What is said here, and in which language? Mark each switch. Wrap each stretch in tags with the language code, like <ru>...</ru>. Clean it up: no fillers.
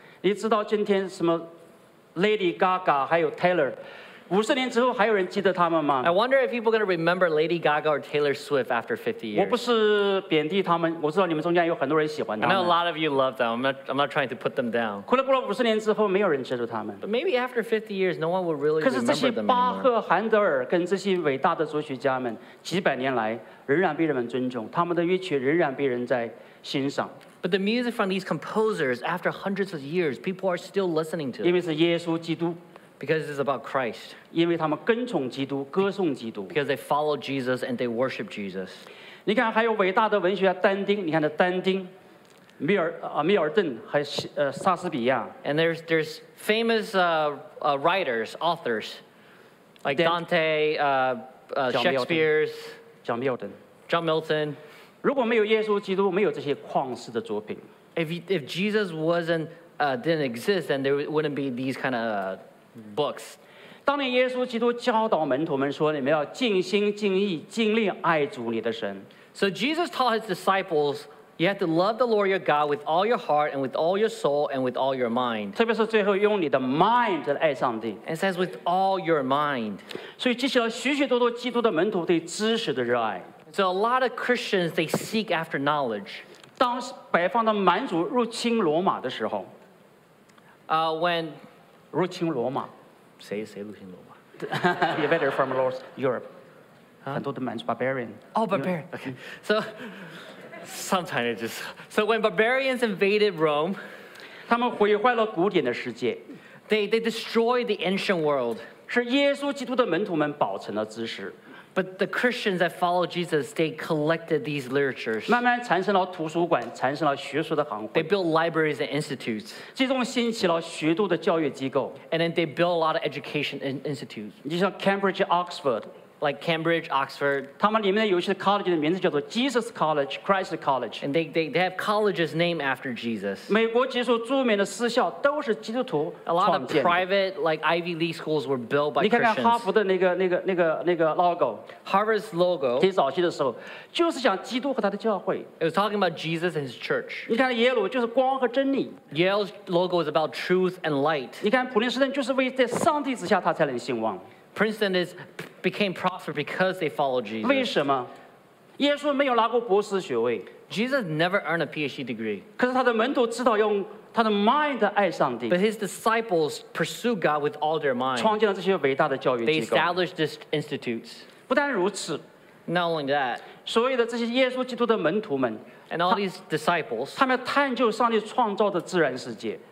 <en>You know, today, Lady Gaga and Taylor, 50 years later, there are still people who remember them. I wonder if people are going to remember Lady Gaga or Taylor Swift after 50 years. I'm not trying to put them down. I know a lot of you love them. I'm not trying to put them down. But maybe after 50 years, no one will really remember them anymore.</en> <zh>巴赫、韩德尔跟这些伟大的作曲家们，几百年来仍然被人们尊重，他们的乐曲仍然被人在欣赏。</zh> <en>But the music from these composers, after hundreds of years, people are still listening to.</en> <zh>因为是耶稣基督。</zh> <en>Because it's about Christ.</en> <zh>因为他们跟从基督，歌颂基督。</zh> <en>Because they follow Jesus and they worship Jesus.</en> <zh>你看，还有伟大的文学家但丁，你看的但丁，米尔顿，还莎士比亚。</zh> <en>And there's famous writers, authors, like Dante, Shakespeare's. John Milton.</en> <zh>如果没有耶稣基督，没有这些旷世的作品。</zh> <en>If Jesus didn't exist, then there wouldn't be these kind of books.</en> <zh>当年耶稣基督教导门徒们说：“你们要尽心、尽意、尽力爱主你的神。”</zh> <en>So Jesus taught his disciples, "You have to love the Lord your God with all your heart and with all your soul and with all your mind."</en> <zh>特别是最后用你的 mind 来爱上帝。</zh> <en>It says with all your mind.</en> <zh>所以激起了许许多多基督的门徒对知识的热爱。</zh> <en>So a lot of Christians they seek after knowledge.</en> <zh>当北方的蛮族入侵罗马的时候</zh> <en>when</en> <zh>入侵罗马，谁入侵罗马</zh> <en>？You better from Europe.</en> <zh>很多的蛮族</zh> <en>barbarian. Oh, barbarian. Okay. So Sometimes it just. So when barbarians invaded Rome,</en> <zh>他们毁坏了古典的世界。</zh> <en>They destroyed the ancient world.</en> <zh>是耶稣基督的门徒们保存了知识。</zh> <en>But the Christians that followed Jesus, they collected these literatures.</en> <zh>慢慢产生了图书馆，产生了学术的行会。</zh> <en>They built libraries and institutes.</en> <zh>最终兴起了学度的教育机构。</zh> <en>And then they built a lot of education institutes.</en> <zh>就像 Cambridge, Oxford.</zh> <en>Like Cambridge, Oxford.</en> <zh>他们里面有一些 college 的名字叫做 Jesus College, Christ College.</zh> <en>And they have colleges named after Jesus.</en> <zh>美国几所著名的私校都是基督徒创建的。</zh> <en>A lot of private, like Ivy League schools were built by Christians.</en> <zh>你看看哈佛的那个 logo.</zh> <en>Harvard's logo.</en> <zh>最早期的时候就是讲基督和他的教会。</zh> <en>It was talking about Jesus and his church.</en> <zh>你看耶鲁就是光和真理。</zh> <en>Yale's logo is about truth and light.</en> <zh>你看普林斯顿就是为在上帝之下他才能兴旺。</zh> <en>Princeton is became prosper because they followed Jesus.</en> <zh>为什么？耶稣没有拿过博士学位。</zh> <en>Jesus never earned a PhD degree.</en> <zh>可是他的门徒知道用他的 mind 爱上帝。</zh> <en>But his disciples pursued God with all their mind.</en> <zh>创建了这些伟大的教育机构。</zh> <en>They established these institutes.</en> <zh>不但如此。</zh> <en>Not only that.</en> <zh>所有的这些耶稣基督的门徒们。</zh> <en>And all these disciples.</en> <zh>他们探究上帝创造的自然世界。</zh>